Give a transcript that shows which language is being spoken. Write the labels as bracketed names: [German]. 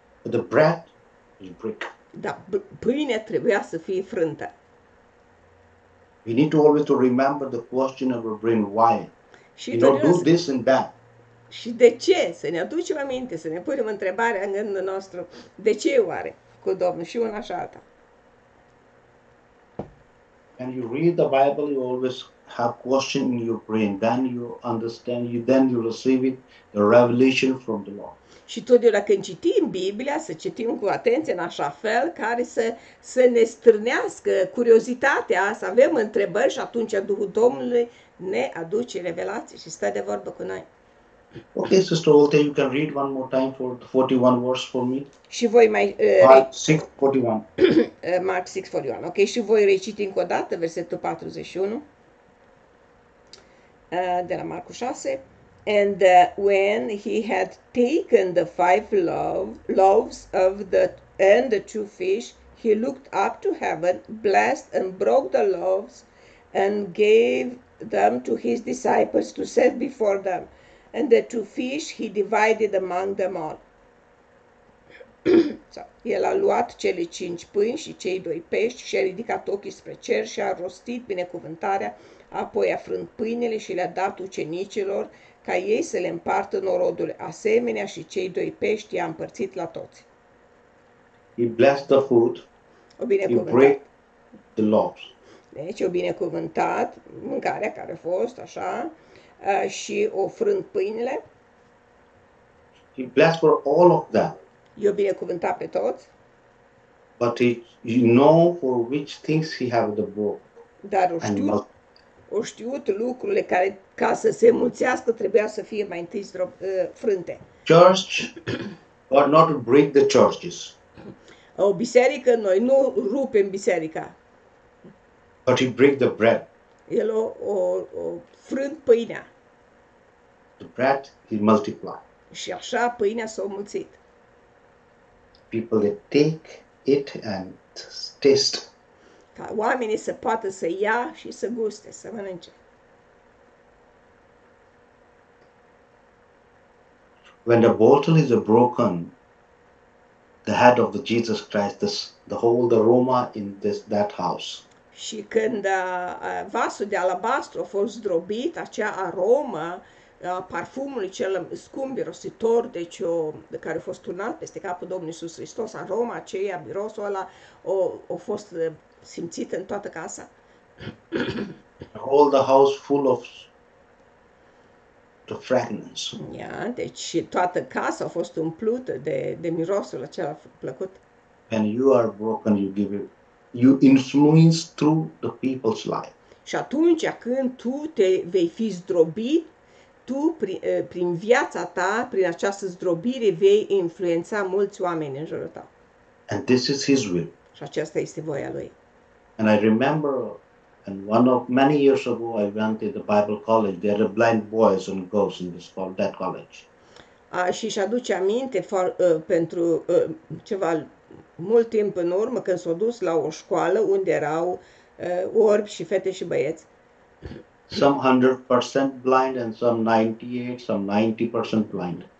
[English] The bread is break. [Romanian] Dar pâinea trebuia să fie frântă. [English] We need to always to remember the question of our brain, why? [Romanian] Și [English] you don't do this and that. [Romanian] Și de ce? Să ne aducem aminte, să ne punem întrebarea în gândul nostru. De ce oare cu Domnul și una și alta? [English] And you read the Bible, you always have question in your brain. Then you understand. Then you receive it, the revelation from the Lord. [Romanian] Și tot eu, dacă citim Biblia, să citim cu atenție în așa fel, care să ne strânească curiozitatea, să avem întrebări și atunci Duhul Domnului ne aduce revelații și stă de vorbă cu noi. [English] Okay, Sister Olta, you can read one more time for the 41 verse for me. [Romanian] Și voi mai [English] Mark 6:41. Mark 6:41. [Romanian] Ok, și voi reciti încă o dată versetul 41 de la Marcu 6. [English] And when he had taken the five loaves of the and the two fish, he looked up to heaven, blessed and broke the loaves and gave them to his disciples to set before them. And the two fish he divided among them all. [Romanian] El a luat cele cinci pâini și cei doi pești și a ridicat ochii spre cer și a rostit binecuvântarea, apoi a frânt pâinile și le-a dat ucenicilor ca ei să le împartă norodul. Asemenea și cei doi pești i-a împărțit la toți. [English] He blessed the food, o he break the loaves. [Romanian] Deci o binecuvântat mâncarea care a fost așa și o frânt pâinile. [English] He blessed for all of them. [Romanian] I-o binecuvântat pe toți. [English] But he you know for which things he have the book. [Romanian] Dar o știut, o știut lucrurile care ca să se mulțească trebuia să fie mai întâi frânte. [English] Church or not break the churches. [Romanian] O biserică, noi nu rupem biserica. [English] But he break the bread. [Romanian] El o frânt pâinea. [English] The bread he multiply. [Romanian] Și așa pâinea s-a mulțit. [English] People that take it and taste. [Romanian] Ca oamenii să poată să ia și să guste, să mănânce. [English] When the bottle is broken, the head of the Jesus Christ, the whole the aroma in this that house. [Romanian] Și când vasul de alabastru a fost zdrobit, acea aromă parfumului cel scump, mirositor, deci de care a fost turnat peste capul Domnului Iisus Hristos, aroma aceea, mirosul ăla, a fost simțit în toată casa. [English] All the house full of the fragrance. [Romanian] Yeah, deci toată casa a fost umplută de mirosul acela plăcut. [English] When you are broken, you give it, you influence through the people's life. [Romanian] Și atunci când tu te vei fi zdrobit, tu, prin viața ta, prin această zdrobire, vei influența mulți oameni în jurul tău. [English] And this is his will. [Romanian] Și aceasta este voia lui. [English] And I remember, and one of many years ago, I went to the Bible college. There are blind boys and girls in this called that college. [Romanian] Și își aduce aminte pentru ceva mult timp în urmă, când s-a dus la o școală unde erau orbi și fete și băieți. [English] Some 100% blind and some 98, some 90% blind.